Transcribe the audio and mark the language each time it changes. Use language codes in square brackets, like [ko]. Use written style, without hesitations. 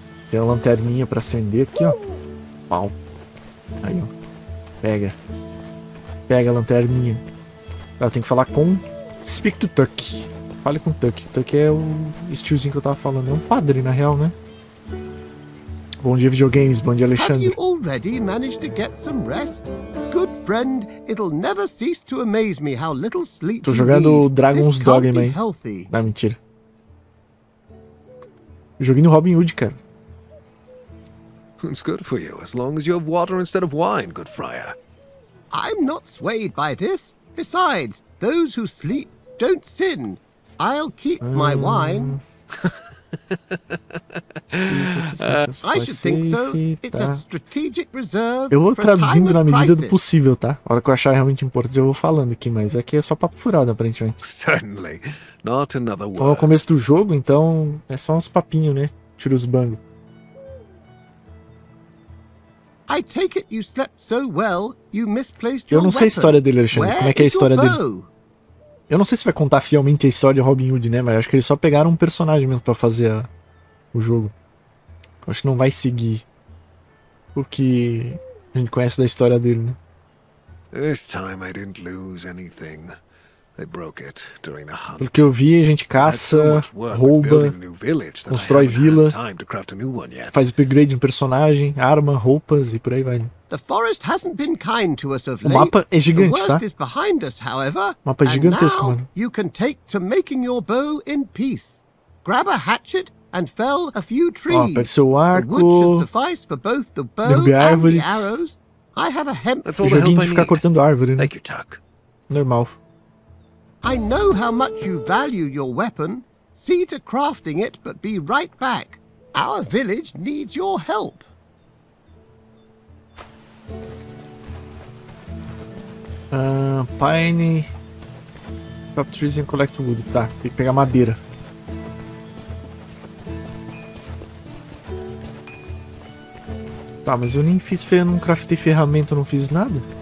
[pt] Tem uma lanterninha pra acender aqui, ó. Pau. Aí, ó. Pega. Pega a lanterninha. Ela tem que falar com... [en] Speak to Tuck. [pt] Fale com o Tuck. Tuck é o estilzinho que eu tava falando. É um padre, na real, né? Bom dia, videogames. Bom dia, Alexandre. [en] Have you already managed to get some rest? Good friend, it'll never cease to amaze me how little sleep. [pt] Tô jogando Dragon's Dogma, hein? Não, mentira. Joguei no Robin Hood, cara. [en] It's good for you, as long as you have water instead of wine, good friar. I'm not swayed by this. Besides, those who sleep don't sin. I'll keep my wine. I should think so. It's a strategic reserve. [pt] Eu vou traduzindo na medida do possível, tá? A hora que eu achar realmente importante, eu vou falando aqui, mas aqui é só papo furado, aparentemente. [en] Certainly. Not another word. [pt] Então, é o começo do jogo, então é só uns papinhos, né? Tira os bangos. [en] I take it you slept so well, you misplaced your. [pt] Eu não sei a história dele, Alexandre. Como é que é a história dele? Eu não sei se vai contar fielmente a história de Robin Hood, né? Mas acho que eles só pegaram um personagem mesmo pra fazer o jogo. Acho que não vai seguir o que a gente conhece da história dele, né? [en] This time I didn't lose anything. I broke it during a hunt. [pt] Pelo que eu vi, a gente caça, rouba, constrói vila, faz upgrade no personagem, arma, roupas e por aí vai. [en] The forest hasn't been kind to us of late. [pt] O mapa é gigante, tá? [en] The worst is behind us, however. [pt] O mapa é gigantesco, mano. [en] You can take to making your bow in peace. Grab a hatchet and fell a few trees. [pt] Ó, pega seu arco. [en] Suffice for both the bow and the arrows. I have a hemp. [pt] O joguinho de ficar cortando árvore, né? [en] Thank you, Tuck. [pt] Normal. [en] I know how much you value your weapon. See to crafting it, but be right back. Our village needs your help. Pine. Chop trees and collect wood. [pt] Tá, tem que pegar madeira. Tá, mas eu nem fiz ferramenta, não craftei ferramenta, não fiz nada.